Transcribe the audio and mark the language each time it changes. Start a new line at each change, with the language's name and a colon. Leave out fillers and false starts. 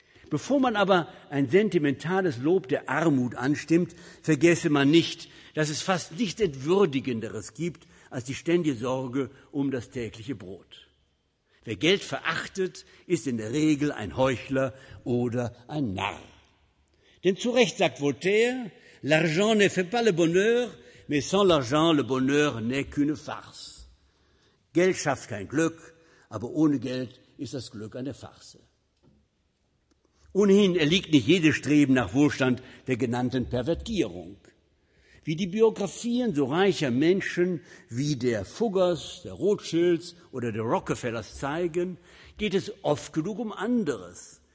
German: Bevor man aber ein sentimentales Lob der Armut anstimmt, vergesse man nicht, dass es fast nichts Entwürdigenderes gibt als die ständige Sorge um das tägliche Brot. Wer Geld verachtet, ist in der Regel ein Heuchler oder ein Narr. Denn zu Recht sagt Voltaire,
French: l'argent ne fait pas le bonheur, mais sans l'argent le bonheur n'est qu'une farce.
German: Geld schafft kein Glück, aber ohne Geld ist das Glück eine Farce. Ohnehin erliegt nicht jedes Streben nach Wohlstand der genannten Pervertierung. Wie die Biografien so reicher Menschen wie der Fuggers, der Rothschilds oder der Rockefellers zeigen, geht es oft genug um anderes.